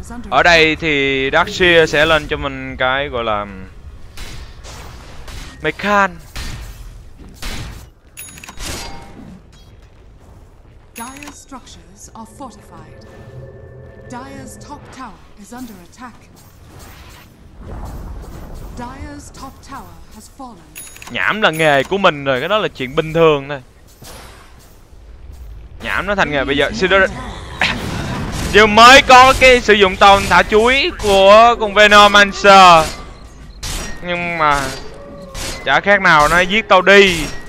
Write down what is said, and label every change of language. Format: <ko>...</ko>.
<vi>Ở đây thì Darkseer sẽ lên cho mình cái gọi là Mekan.</vi> <en>Dire's structures are fortified. Dire's top tower is under attack. Dire's top tower has fallen.</en> <vi>Nhảm là nghề của mình rồi, cái đó là chuyện bình thường thôi. Nhảm nó thành nghề bây giờ. Vừa mới có cái sử dụng tàu thả chuối của con Venomancer, nhưng mà chả khác nào nó giết tao đi.</vi>